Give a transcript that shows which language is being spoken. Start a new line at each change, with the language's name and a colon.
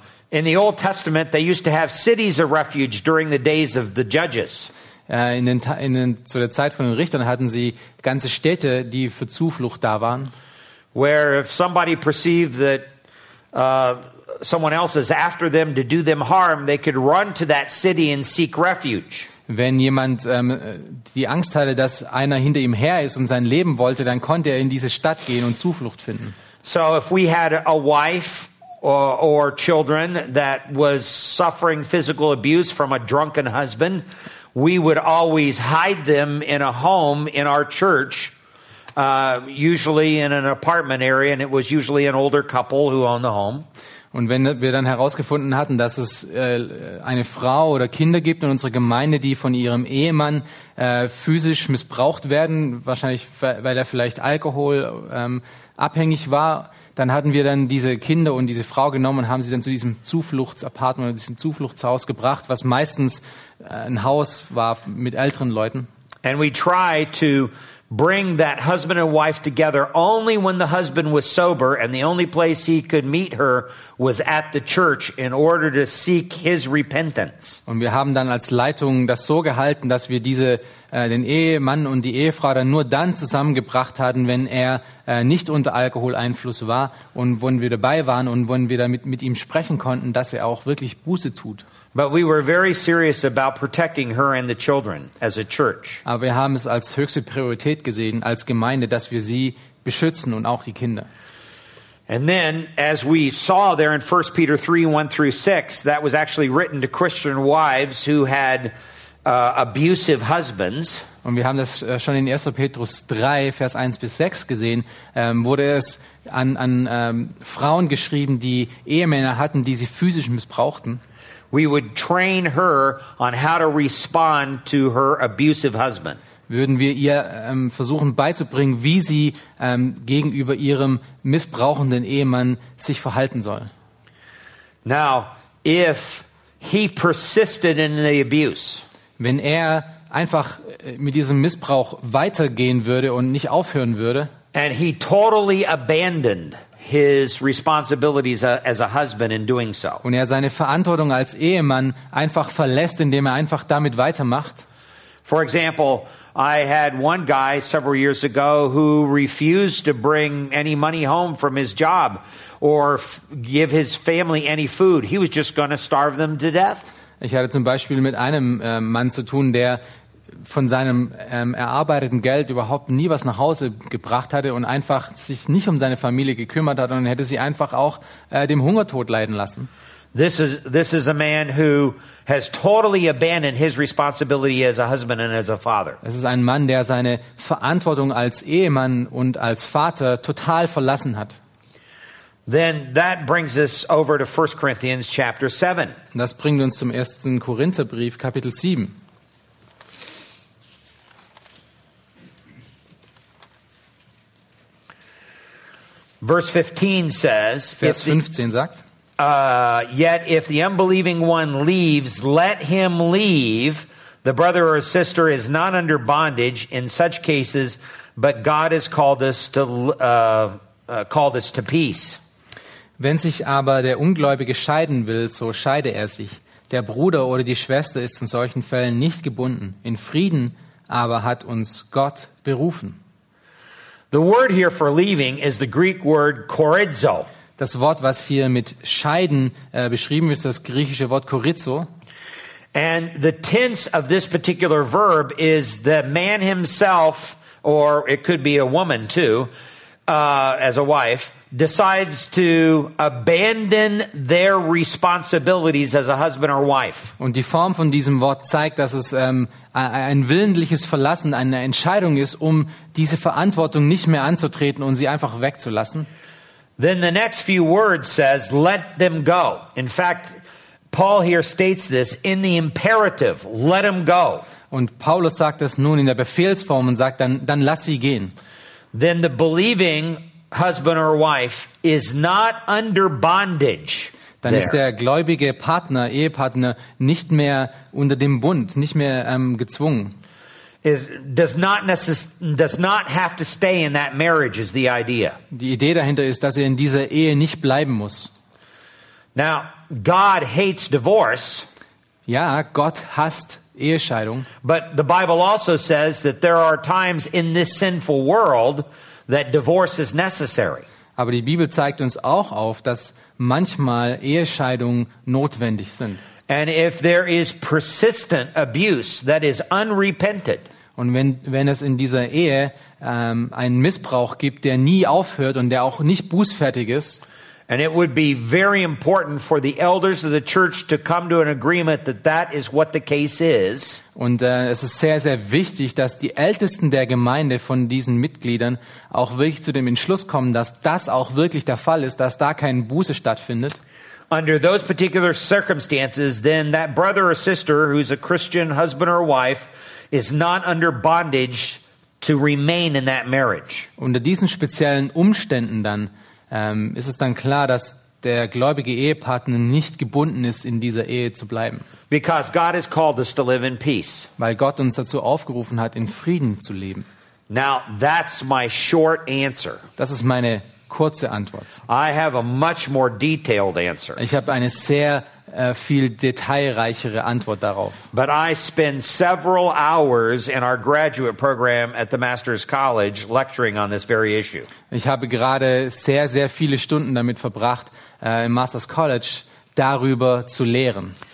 English: In the Old Testament they used to have cities of refuge during the days of the judges.
German: Zu der Zeit von den Richtern hatten sie ganze Städte, die für Zuflucht da waren.
English: Where if somebody perceived that someone else is after them to do them harm, they could run to that city and seek refuge.
German: Wenn jemand die Angst hatte, dass einer hinter ihm her ist und sein Leben wollte, dann konnte er in diese Stadt gehen und Zuflucht finden.
English: So if we had a wife or children that was suffering physical abuse from a drunken husband, we would always hide them in a home in our church, usually in an apartment area, and it was usually an older couple who owned the home.
German: Und wenn wir dann herausgefunden hatten, dass es eine Frau oder Kinder gibt in unserer Gemeinde, die von ihrem Ehemann physisch missbraucht werden, wahrscheinlich weil er vielleicht Alkohol abhängig war, dann hatten wir dann diese Kinder und diese Frau genommen und haben sie dann zu diesem Zufluchtsapartment oder diesem Zufluchtshaus gebracht, was meistens ein Haus war mit älteren Leuten.
English: And we try to bring that husband and wife together only when the husband was sober and the only place he could meet her was at the church in order to seek his repentance.
German: Und wir haben dann als Leitung das so gehalten, dass wir diese den Ehemann und die Ehefrau dann nur dann zusammengebracht hatten, wenn er nicht unter Alkoholeinfluss war und wenn wir dabei waren und wenn wir damit mit ihm sprechen konnten, dass er auch wirklich Buße tut.
English: But we were very serious about protecting her and the children as a church.
German: Aber wir haben es als höchste Priorität gesehen als Gemeinde, dass wir sie beschützen und auch die Kinder.
English: And then, as we saw there in 1 Peter 3, 1 through 6, that was actually written to Christian wives who had abusive husbands.
German: Und wir haben das schon in 1. Petrus 3, Vers 1 bis 6 gesehen, wurde es an Frauen geschrieben, die Ehemänner hatten, die sie physisch missbrauchten.
English: We would train her on how to respond to her abusive husband.
German: Würden wir ihr versuchen beizubringen, wie sie gegenüber ihrem missbrauchenden Ehemann sich verhalten soll.
English: Now, if he persisted in the abuse.
German: Wenn er einfach mit diesem Missbrauch weitergehen würde und nicht aufhören würde.
English: And he totally abandoned his responsibilities as a husband in doing so.
German: Und er seine Verantwortung als Ehemann einfach verlässt, indem er einfach damit weitermacht.
English: For example, I had one guy several years ago who refused to bring any money home from his job or give his family any food. He was just going to starve them to death.
German: Ich hatte zum Beispiel mit einem Mann zu tun, der von seinem erarbeiteten Geld überhaupt nie was nach Hause gebracht hatte und einfach sich nicht um seine Familie gekümmert hat und hätte sie einfach auch dem Hungertod leiden lassen.
English: This is a man who has totally abandoned his responsibility as a husband and as a father.
German: Es ist ein Mann, der seine Verantwortung als Ehemann und als Vater total verlassen hat.
English: Then that brings us over to 1 Corinthians chapter 7.
German: Das bringt uns zum 1. Korintherbrief Kapitel 7.
English: Verse 15 says,
German: Vers 15 sagt,
English: yet if the unbelieving one leaves, let him leave. The brother or sister is not under bondage in such cases, but God has called us to peace.
German: Wenn sich aber der Ungläubige scheiden will, so scheide er sich. Der Bruder oder die Schwester ist in solchen Fällen nicht gebunden. In Frieden aber hat uns Gott berufen.
English: The word here for leaving is the Greek word chorizo.
German: Das Wort, was hier mit scheiden beschrieben ist, das griechische Wort chorizo.
English: And the tense of this particular verb is the man himself, or it could be a woman too, as a wife, decides to abandon their responsibilities as a husband or wife.
German: Und die Form von diesem Wort zeigt, dass es ein willentliches Verlassen, eine Entscheidung ist, um diese Verantwortung nicht mehr anzutreten und sie einfach wegzulassen.
English: Then the next few words says, let them go. In fact, Paul here states this in the imperative, let them go.
German: Und Paulus sagt das nun in der Befehlsform und sagt, dann lass sie gehen.
English: Then the believing husband or wife is not under bondage.
German: Dann ist der gläubige Partner, Ehepartner nicht mehr unter dem Bund, nicht mehr gezwungen.
English: Does not have to stay in that marriage is the idea.
German: Die Idee dahinter ist, dass er in dieser Ehe nicht bleiben muss.
English: Now, God hates divorce.
German: Ja, Gott hasst Ehescheidung.
English: But the Bible also says that there are times in this sinful world that divorce is necessary.
German: Aber die Bibel zeigt uns auch auf, dass manchmal Ehescheidungen notwendig sind.
English: And if there is persistent abuse that is unrepented.
German: Und wenn es in dieser Ehe einen Missbrauch gibt, der nie aufhört und der auch nicht bußfertig ist.
English: And it would be very important for the elders of the church to come to an agreement that that is what the case is.
German: Und es ist sehr, sehr wichtig, dass die Ältesten der Gemeinde von diesen Mitgliedern auch wirklich zu dem Entschluss kommen, dass das auch wirklich der Fall ist, dass da keine Buße stattfindet.
English: Under those particular circumstances, then that brother or sister who's a Christian husband or wife is not under bondage to remain in that marriage.
German: Unter diesen speziellen Umständen dann ist es dann klar, dass der gläubige Ehepartner nicht gebunden ist, in dieser Ehe zu bleiben.
English: Because God has called us to live in peace.
German: Weil Gott uns dazu aufgerufen hat, in Frieden zu leben.
English: Now that's my short answer.
German: Das ist meine kurze Antwort.
English: I have a much more detailed answer.
German: Ich habe eine sehr viel detailreichere Antwort darauf.
English: But I spend several hours in our graduate program at the Master's College lecturing on this very issue.
German: Ich habe gerade sehr, sehr viele Stunden damit verbracht, im Master's College darüber zu lehren.